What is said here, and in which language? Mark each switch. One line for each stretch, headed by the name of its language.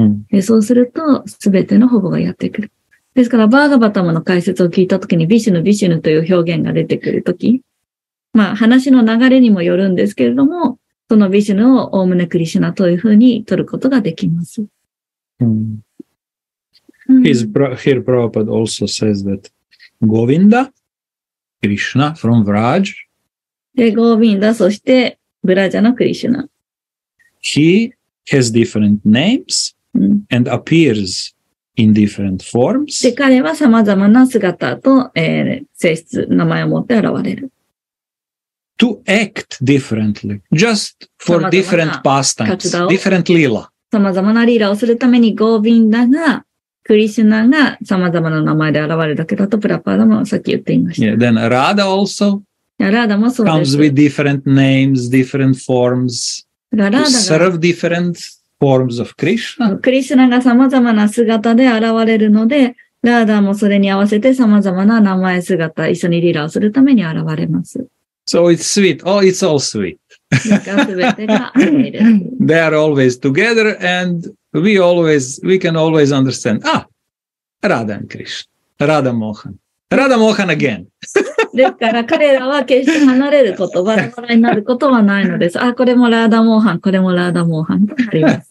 Japanese: でそうすると、すべての保護がやってくる。ですから、バーガバタムの解説を聞いたときに、ビシュヌ、ビシュヌという表現が出てくるとき、まあ、話の流れにもよるんですけれども、そのビシュヌをおおむねクリシュナというふうに取ることができます。
English: Here Prabhupada also says that Govinda, Krishna from Vraj.
Japanese: で、Govinda, そして Vraja の Krishna.
English: He has different names and appears in different forms.
Japanese: で、彼は様々な姿と、性質、名前を持って現れる。
English: To act differently, just for different pastimes, different lila.
Japanese: 様々なリーラをするために、ゴービンダが、クリシュナが様々な名前で現れるだけだと、プラパーダもさっき言っていました。
English: Yeah, then Radha also
Japanese: Radha もそうです
English: comes with different names, different forms,
Japanese: Radha
English: to serve different forms of Krishna.
Japanese: クリシュナが様々な姿で現れるので、ラーダもそれに合わせて様々な名前姿、一緒にリーラをするために現れます。
English: So it's sweet. Oh, it's all sweet. They are always together and we can always understand. Radha and Krishna. Radha Mohan. Radha Mohan again.
Japanese: ですから彼らは決して離れることバラバラになることはないのです。あ、これもラーダモーハン、これもラーダモーハンとなります。